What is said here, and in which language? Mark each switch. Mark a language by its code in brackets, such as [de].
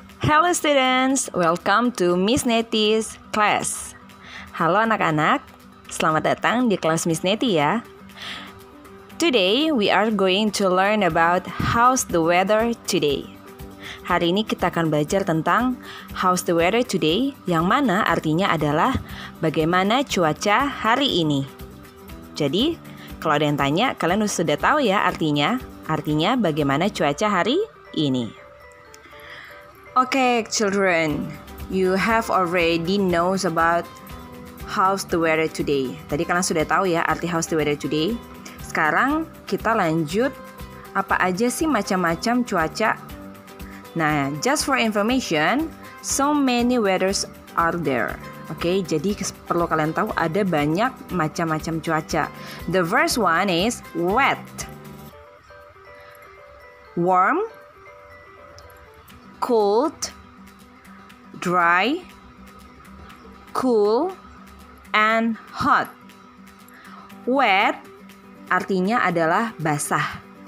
[en] Hello students, welcome to Miss Nettie's class. [id] Halo anak-anak, selamat datang di kelas Miss Nettie ya. [en] Today we are going to learn about how's the weather today. [id] Hari ini kita akan belajar tentang [en] how's the weather today, [id] yang mana artinya adalah bagaimana cuaca hari ini. Jadi, kalau ada yang tanya, kalian sudah tahu ya artinya. Artinya bagaimana cuaca hari ini. [en] Okay, children, you have already knows about how's the weather today. [id] Tadi kalian sudah tahu ya arti [en] how's the weather today. [id] Sekarang kita lanjut apa aja sih macam-macam cuaca. [en] Nah, just for information, so many weathers are there. [id] Okay, jadi perlu kalian tahu ada banyak macam-macam cuaca. [en] The first one is wet, warm, cold, dry, cool, and hot. [id] Wet artinya adalah basah.